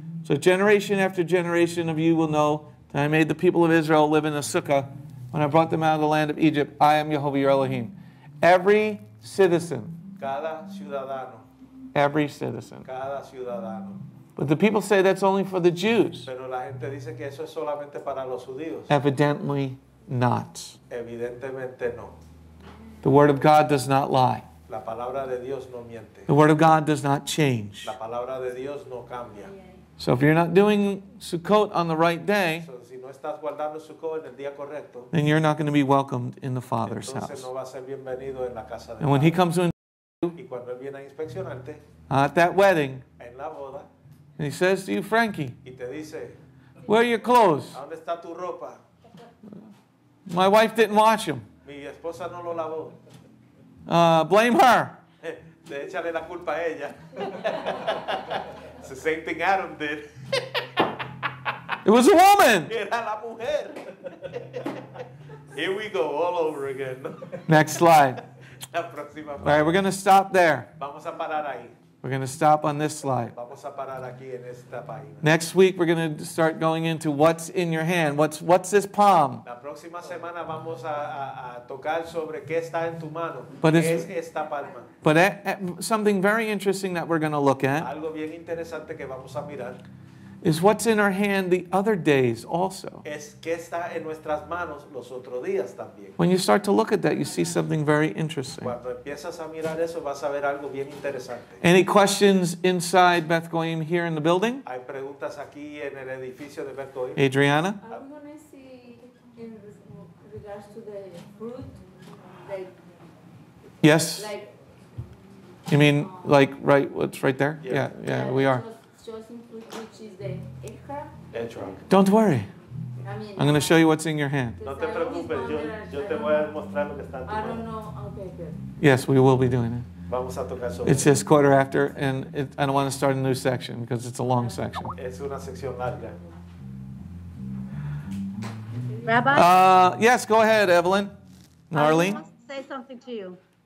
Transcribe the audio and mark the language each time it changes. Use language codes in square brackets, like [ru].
[en] So generation after generation of you will know that I made the people of Israel live in a sukkah when I brought them out of the land of Egypt. I am Yehovah your Elohim. Every citizen. [es] Cada ciudadano. [en] Every citizen. [es] Cada ciudadano. [en] But the people say that's only for the Jews. [es] Pero la gente dice que eso es solamente para los judíos. [en] Evidently not. [es] Evidentemente no. [en] The word of God does not lie. [es] La palabra de Dios no miente. [en] The word of God does not change. [es] La palabra de Dios no cambia. [en] So if you're not doing Sukkot on the right day, [es] si no estás guardando Sukkot en el día correcto, [en] then you're not going to be welcomed in the Father's house. [es] No va a ser bienvenido en la casa de [en] and when [es] padre. [en] He comes to inspect you, [es] y cuando él viene a inspeccionarte, [en] at that wedding, [es] en la boda, [en] and he says to you, Frankie, [es] y te dice, [en] where are your clothes? [es] ¿Dónde está tu ropa? [en] My wife didn't wash them. [es] Mi esposa no lo lavó. [en] Blame her. [es] De échale la culpa a ella. [en] It's the same thing Adam did. It was a woman. [es] Era la mujer. [en] Here we go all over again. Next slide. [es] La próxima. [en] All right, we're going to stop there. [es] Vamos a parar ahí. [en] We're going to stop on this slide. [es] Vamos a parar aquí en esta página. [en] Next week, we're going to start going into what's in your hand. What's this palm? [es] La próxima semana vamos a tocar sobre qué está en tu mano. Es esta palma. [en] But something very interesting that we're going to look at. [es] Algo bien interesante que vamos a mirar. [en] Is what's in our hand the other days also. [es] Es que está en nuestras manos los otros días también. [en] When you start to look at that, you see something very interesting. [es] Cuando empiezas a mirar eso, vas a ver algo bien interesante. [en] Any questions inside Beth Goyim here in the building? [es] Hay preguntas aquí en el edificio de Beth Goyim. [en] Adriana? I'm going to see in regards to the fruit. Like, yes. Like, you mean like right? What's right there? Yeah, we are. Which is the Etrach. Don't worry. I mean, I'm going to show you what's in your hand. [es] No te preocupes, yo te voy a mostrar lo que está en tu mano. [en] I don't know. Okay, good. Yes, we will be doing it. [es] Vamos a tocar sobre. [en] It's just quarter after, and I don't want to start a new section because it's a long section. [es] Es una sección larga. [en] Rabbi? Yes, go ahead, Evelyn. Narlene? I want to say something to you.